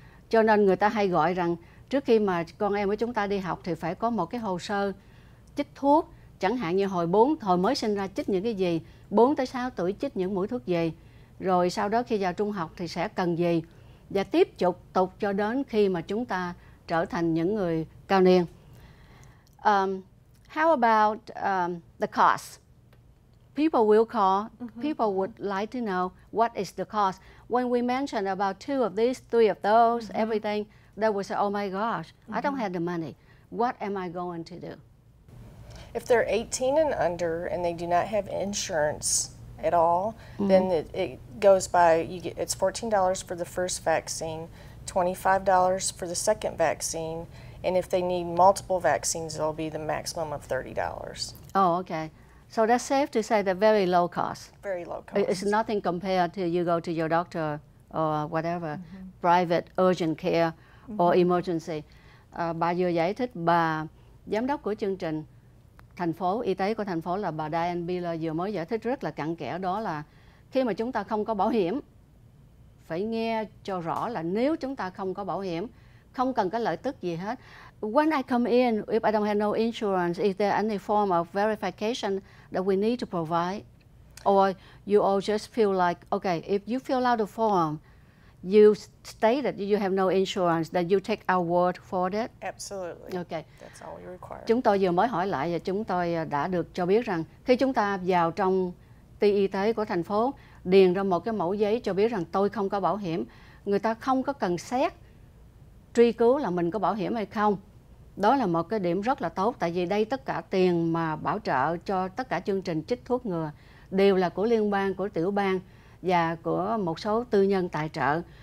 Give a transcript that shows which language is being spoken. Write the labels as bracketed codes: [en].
[vi] Cho nên người ta hay gọi rằng trước khi mà con em của chúng ta đi học thì phải có một cái hồ sơ chích thuốc. Chẳng hạn như hồi mới sinh ra chích những cái gì, 4 tới 6 tuổi chích những mũi thuốc gì. Rồi sau đó khi vào trung học thì sẽ cần gì. Và tiếp tục cho đến khi mà chúng ta trở thành những người cao niên. [en] How about the cost? People will call, people would like to know what is the cost. When we mentioned about two of these, three of those, everything, they would say, oh my gosh, I don't have the money. What am I going to do? If they're 18 and under and they do not have insurance at all, then it goes by, it's $14 for the first vaccine, $25 for the second vaccine, and if they need multiple vaccines, it'll be the maximum of $30. Oh, okay. So that's safe to say that very low cost. Very low cost. It's nothing compared to you go to your doctor or whatever, private urgent care or emergency. [vi] Bà vừa giải thích, bà giám đốc của chương trình thành phố, y tế của thành phố là bà Diane Biller vừa mới giải thích rất là cặn kẽ, đó là khi mà chúng ta không có bảo hiểm, phải nghe cho rõ là nếu chúng ta không có bảo hiểm, không cần cái lợi tức gì hết. [en] When I come in, if I don't have no insurance, is there any form of verification that we need to provide? Or you all just feel like, okay, if you fill out a form, you state that you have no insurance, then you take our word for it? Absolutely. Okay. That's all we require. [vi] Chúng tôi vừa mới hỏi lại và chúng tôi đã được cho biết rằng khi chúng ta vào trong ti y tế của thành phố, điền ra một cái mẫu giấy cho biết rằng tôi không có bảo hiểm, người ta không có cần xét truy cứu là mình có bảo hiểm hay không. Đó là một cái điểm rất là tốt, tại vì đây tất cả tiền mà bảo trợ cho tất cả chương trình chích thuốc ngừa đều là của liên bang, của tiểu bang và của một số tư nhân tài trợ.